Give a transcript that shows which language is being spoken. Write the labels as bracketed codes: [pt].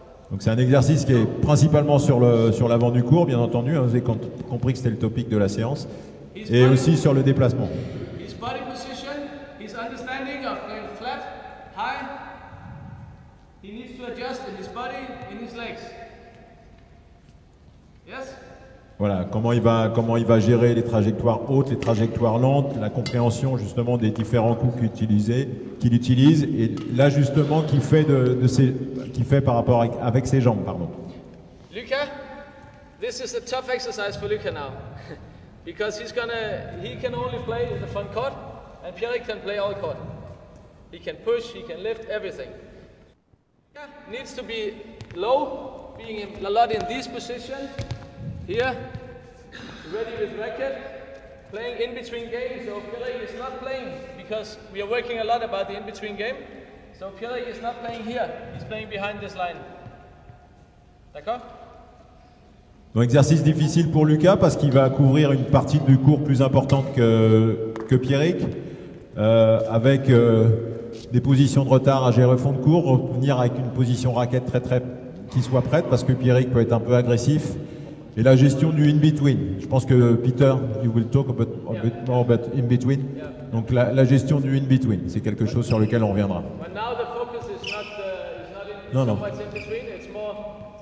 [fr] Donc c'est un exercice qui est principalement sur l'avant du court, bien entendu. Hein, vous avez compris que c'était le topic de la séance. Et aussi sur le déplacement. [en] His body position, his understanding of the flat, high. He needs to adjust in his body, in his legs. Yes? [fr] Voilà, comment il va gérer les trajectoires hautes, les trajectoires lentes, la compréhension justement des différents coups qu'il utilise et l'ajustement qu'il fait par rapport avec ses jambes, pardon. [en] Luca, this is a tough exercise for Luca now, because he can only play the front court, and Pierre can play all court. He can push, he can lift everything. Luca needs to be low, being a lot in this position. Here, ready with racket, playing in between games. So Pierrick is not playing because we are working a lot about the in between game. So Pierrick is not playing here. He's playing behind this line. [fr] D'accord? Donc exercice difficile pour Lucas parce qu'il va couvrir une partie du court plus importante que Pierrick, avec des positions de retard à gérer fond de court, revenir avec une position raquette très très qui soit prête parce que Pierrick peut être un peu agressif. Et la gestion du in-between, je pense que Peter, [en] you will talk a bit more about in-between. Yeah. [fr] Donc la gestion du in-between, c'est quelque chose sur lequel on reviendra. [en] But now the focus is not in, non, so non. Much in-between, it's more